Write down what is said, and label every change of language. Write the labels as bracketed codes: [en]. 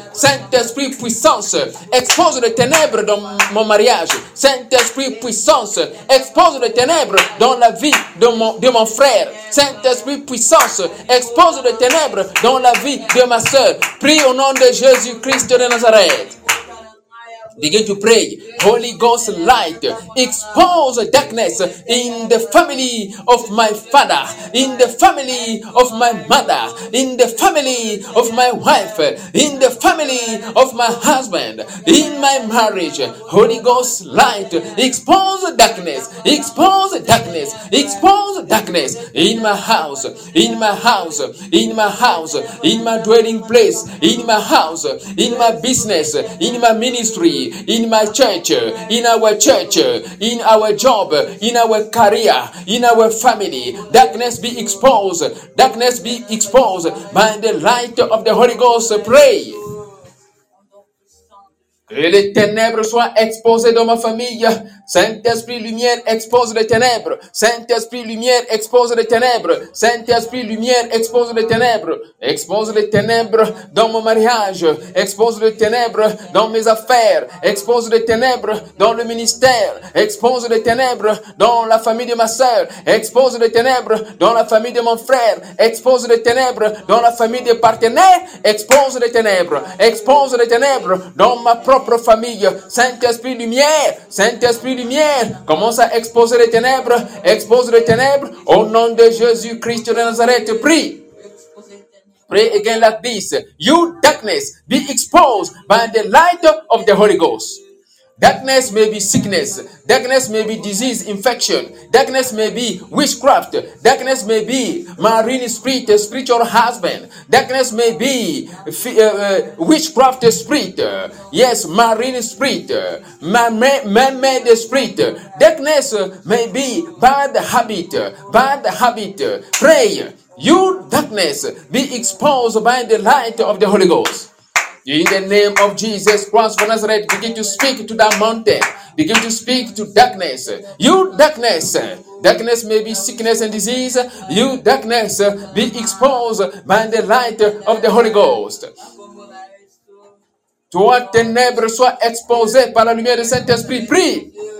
[fr] Saint-Esprit puissance, expose les ténèbres dans mon mariage. Saint-Esprit puissance, expose les ténèbres dans la vie de mon frère. Saint-Esprit puissance, expose les ténèbres dans la vie de ma sœur. Prie au nom de Jésus-Christ de Nazareth. [en] Begin to pray. Holy Ghost light, expose darkness in the family of my father, in the family of my mother, in the family of my wife, in the family of my husband, in my marriage. Holy Ghost light, expose darkness, expose darkness, expose darkness in my house, in my house, in my house, in my dwelling place, in my house, in my business, in my ministry, in my church, in our church, in our job, in our career, in our family. Darkness be exposed. Darkness be exposed by the light of the Holy Ghost. Pray. [fr] Que les ténèbres soient exposées dans ma famille. Saint-Esprit lumière expose les ténèbres. Saint-Esprit lumière expose les ténèbres. Saint-Esprit lumière expose les ténèbres. Expose les ténèbres dans mon mariage. Expose les ténèbres dans mes affaires. Expose les ténèbres dans le ministère. Expose les ténèbres dans la famille de ma sœur. Expose les ténèbres dans la famille de mon frère. Expose les ténèbres dans la famille des partenaires. Expose les ténèbres. Expose les ténèbres dans ma propre famille. Saint-Esprit lumière. Saint-Esprit lumière, commence à exposer les ténèbres, au nom de Jésus-Christ de Nazareth, prie. [en] Pray again like this. You darkness, be exposed by the light of the Holy Ghost. Darkness may be sickness. Darkness may be disease, infection. Darkness may be witchcraft. Darkness may be marine spirit, spiritual husband. Darkness may be witchcraft spirit. Yes, marine spirit, man-made spirit. Darkness may be bad habit. Bad habit. Pray. You darkness be exposed by the light of the Holy Ghost. In the name of Jesus Christ of Nazareth, begin to speak to that mountain. Begin to speak to darkness. You darkness. Darkness may be sickness and disease. You darkness be exposed by the light of the Holy Ghost. [fr] Toi ténèbres sois exposé par la lumière du Saint-Esprit. Prie.